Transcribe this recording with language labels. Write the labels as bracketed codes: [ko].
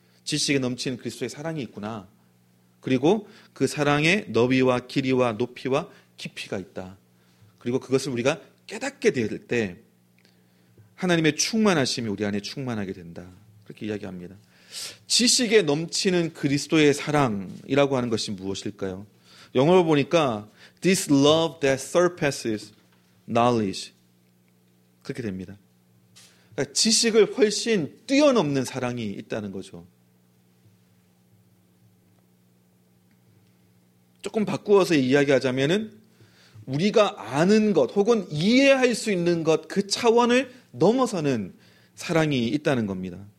[ko] 지식에 넘치는 그리스도의 사랑이 있구나. 그리고 그 사랑의 너비와 길이와 높이와 깊이가 있다. 그리고 그것을 우리가 깨닫게 될 때 하나님의 충만하심이 우리 안에 충만하게 된다. 그렇게 이야기합니다. 지식에 넘치는 그리스도의 사랑이라고 하는 것이 무엇일까요? 영어로 보니까 [en] This love that surpasses knowledge. [ko] 그렇게 됩니다. 그러니까 지식을 훨씬 뛰어넘는 사랑이 있다는 거죠. 조금 바꾸어서 이야기하자면은 우리가 아는 것 혹은 이해할 수 있는 것 그 차원을 넘어서는 사랑이 있다는 겁니다.